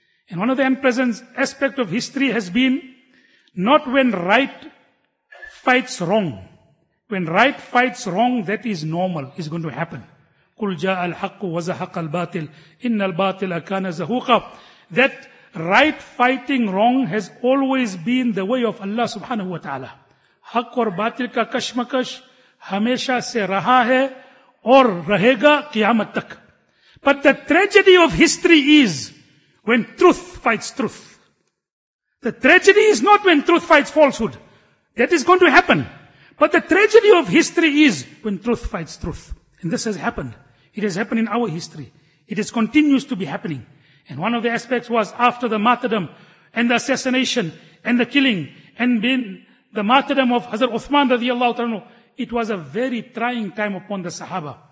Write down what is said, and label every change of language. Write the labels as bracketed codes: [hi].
[en] And one of the unpleasant aspects of history has been not when right fights wrong. When right fights wrong, that is normal, is going to happen. [ar] قُلْ جَاءَ الْحَقُّ وَزَحَقَ الْبَاطِلِ إِنَّ الْبَاطِلَ كَانَ زَهُوقًا. [en] That right fighting wrong has always been the way of Allah subhanahu wa ta'ala. [ur] حق اور باطل کا کشمکش ہمیشہ سے رہا ہے اور رہے گا قیامت تک. [en] But the tragedy of history is when truth fights truth. The tragedy is not when truth fights falsehood. That is going to happen. But the tragedy of history is when truth fights truth. And this has happened. It has happened in our history. It is continues to be happening. And one of the aspects was after the martyrdom and the assassination and the killing and being the martyrdom of Hazrat Uthman radiallahu ta'ala, it was a very trying time upon the Sahaba.